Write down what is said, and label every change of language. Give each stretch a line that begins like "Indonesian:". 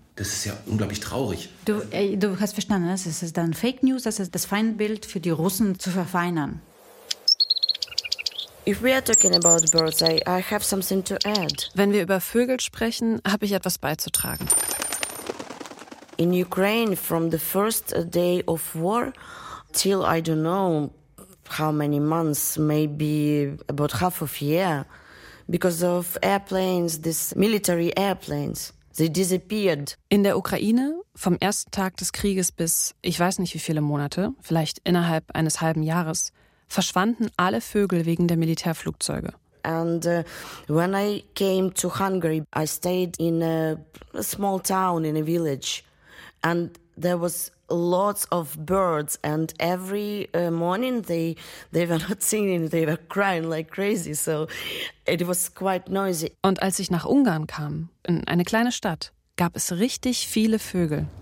German: Das ist ja unglaublich traurig. Du hast verstanden, das ist dann Fake News, das ist das Feindbild für die Russen zu verfeinern.
English: If we are talking about birds, I have something to add.
German: Wenn wir über Vögel sprechen, habe ich etwas beizutragen.
English: In Ukraine, from the first day of war till I don't know how many months, maybe about half of year, because of airplanes, these military airplanes, they disappeared.
German: In der Ukraine, vom ersten Tag des Krieges bis, ich weiß nicht wie viele Monate, vielleicht innerhalb eines halben Jahres, verschwanden alle Vögel wegen der Militärflugzeuge.
English: And when I came to Hungary, I stayed in a small town, in a village, and there was lots of birds, and every morning they were not singing, they were crying like crazy, so it was quite noisy.
German: Und als ich nach Ungarn kam, in eine kleine Stadt, gab es richtig viele Vögel.